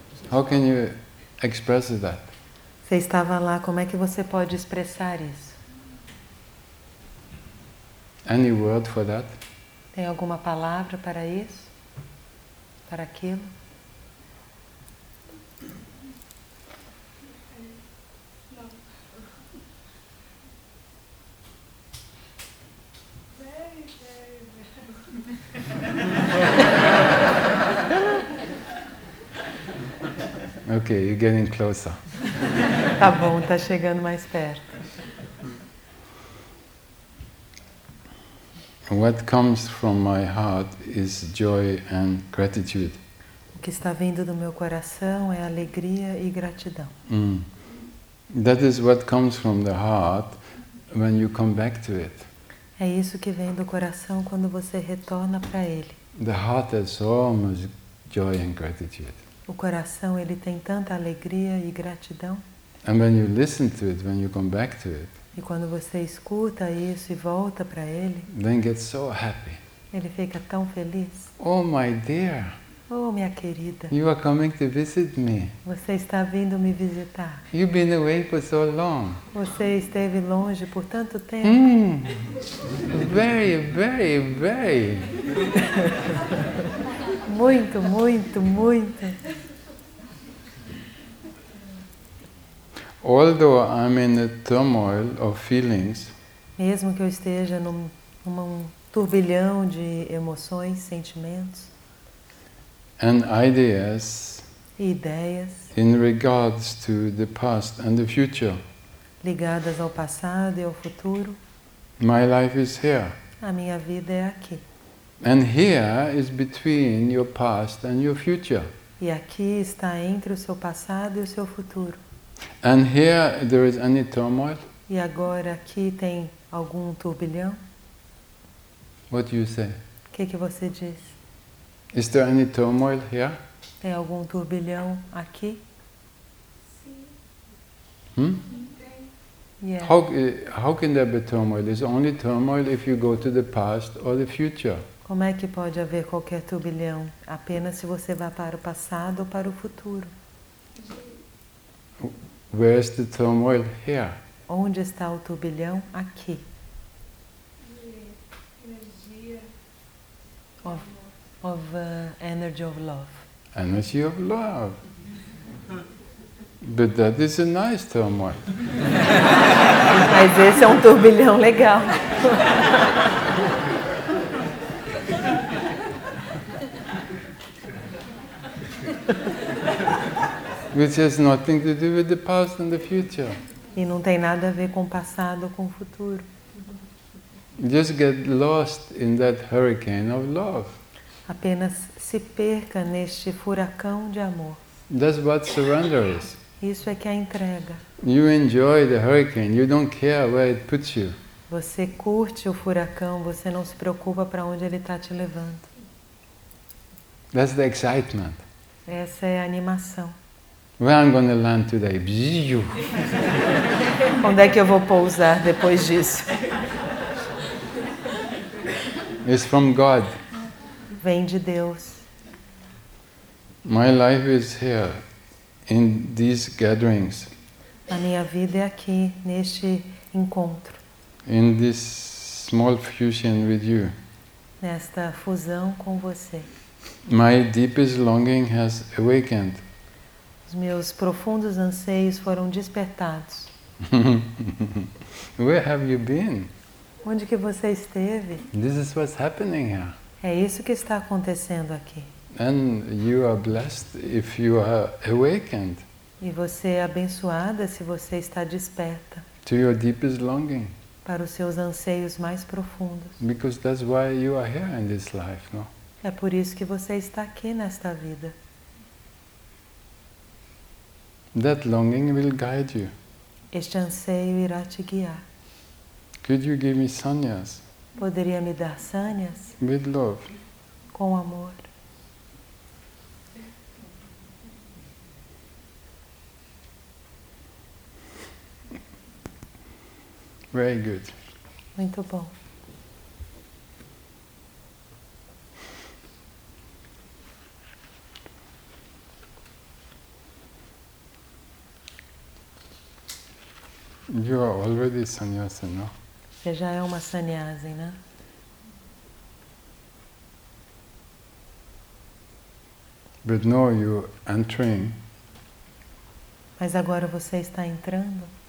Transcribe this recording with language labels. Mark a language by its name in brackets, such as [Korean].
[English] How can you express that? [Portuguese] Você estava lá. Como é que você pode expressar isso? [English] Any word for that? [Portuguese] Tem alguma palavra para isso? Para aquilo? [English] Okay, you're getting closer. [Portuguese] Tá bom, tá chegando mais perto. [English] What comes from my heart is joy and gratitude. [Portuguese] O que está vindo do meu coração é alegria e gratidão. [English] That is what comes from the heart when you come back to it. [Portuguese] É isso que vem do coração quando você retorna para ele. [English] The heart has so much joy and gratitude. [Portuguese] O coração, ele tem tanta alegria e gratidão. [English] And when you listen to it, when you come back to it. [Portuguese] E quando você escuta isso e volta para ele. [English] Then get so happy. [Portuguese] Ele fica tão feliz. [English] Oh my dear. [Portuguese] Oh minha querida. [English] You are coming to visit me. [Portuguese] Você está vindo me visitar. [English] You've been away for so long. [Portuguese] Você esteve longe por tanto tempo. [English] Very, very, very. [Portuguese] Muito, muito, muito. [English] Although I'm in a turmoil of feelings. [Portuguese] Mesmo que eu esteja num turbilhão de emoções, sentimentos. [English] And ideas. [Portuguese] E ideias. [English] In regards to the past and the future. [Portuguese] Ligadas ao passado e ao futuro. [English] My life is here. [Portuguese] A minha vida é aqui. [English] And here is between your past and your future. [Portuguese] E aqui está entre o seu passado e o seu futuro. [English] And here there is any turmoil? [Portuguese] E agora aqui tem algum turbilhão? [English] What do you say? [Portuguese] Que você diz? [English] Is there any turmoil here? [Portuguese] Tem algum turbilhão aqui? Sim. [English] Yeah. How can there be turmoil? It's only turmoil if you go to the past or the future. [Portuguese] Como é que pode haver qualquer turbilhão? Apenas se você vai para o passado ou para o futuro. [English] Where's the turmoil here? [Portuguese] Onde está o turbilhão? Aqui. Energia. [English] Of energy of love. Energy of love. But that is a nice turmoil. [Portuguese] Mas esse é um turbilhão legal. [English] Which has nothing to do with the past and the future. [Portuguese] E não tem nada a ver com o passado ou com o futuro. [English] Just get lost in that hurricane of love. [Portuguese] Apenas se perca neste furacão de amor. [English] That's what surrender is. [Portuguese] Isso é que é a entrega. [English] You enjoy the hurricane. You don't care where it puts you. [Portuguese] Você curte o furacão. Você não se preocupa para onde ele está te levando. [English] That's the excitement. [Portuguese] Essa é a animação. [English] Where I'm going to land today? [Portuguese] Onde é que eu vou pousar depois disso? [English] It's from God. [Portuguese] Vem de Deus. [English] My life is here in these gatherings. [Portuguese] A minha vida é aqui neste encontro. [English] In this small fusion with you. [Portuguese] Nesta fusão com você. [English] My deepest longing has awakened. [Portuguese] Os meus profundos anseios foram despertados. [English] Where have you been? [Portuguese] Onde que você esteve? [English] This is what's happening here. [Portuguese] É isso que está acontecendo aqui. [English] And you are blessed if you are awakened. [Portuguese] E você é abençoada se você está desperta. [English] To your deepest longing. [Portuguese] Para os seus anseios mais profundos. [English] Because that's why you are here in this life, no? [Portuguese] É por isso que você está aqui nesta vida. [English] That longing will guide you. [Portuguese] Este anseio irá te guiar. [English] Could you give me sannyas? [Portuguese] Poderia me dar sannyas? [English] With love. [Portuguese] Com amor. [English] Very good. [Portuguese] Muito bom. [English] You are already sannyasin, no? [Portuguese] Você já é uma sannyasin, né? [English] But now you entering. [Portuguese] Mas agora você está entrando.